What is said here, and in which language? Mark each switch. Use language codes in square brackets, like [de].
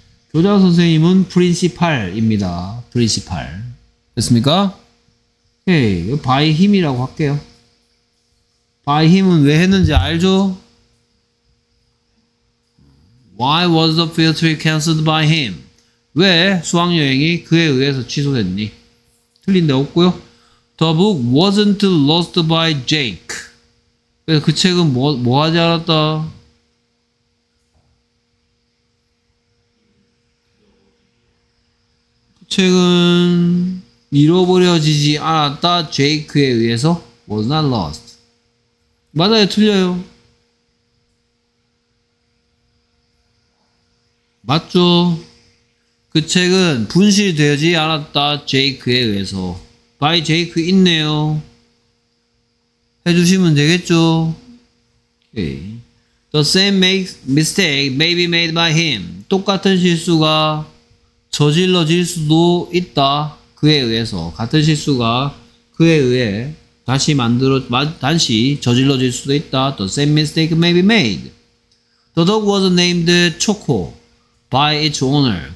[ko] 교장 선생님은 프린시팔입니다. 프린시팔. 됐습니까? 오케이. 바이 힘이라고 할게요. 바이 힘은 왜 했는지 알죠? [en] Why was the field trip cancelled by him? [ko] 왜 수학여행이 그에 의해서 취소됐니? 틀린 데 없고요. [en] The book wasn't lost by Jake. [ko] 그래서 그 책은 뭐 하지 않았다? 책은 잃어버려지지 않았다. 제이크에 의해서 [en] was not lost. [ko] 맞아요? 틀려요? 맞죠? 그 책은 분실되지 않았다. 제이크에 의해서 by 제이크 있네요. 해주시면 되겠죠? Okay. [en] The same mistake may be made by him. [ko] 똑같은 실수가 저질러질 수도 있다. 그에 의해서 같은 실수가 그에 의해 다시 저질러질 수도 있다. [en] The same mistake may be made. The dog was named Choco by its owner.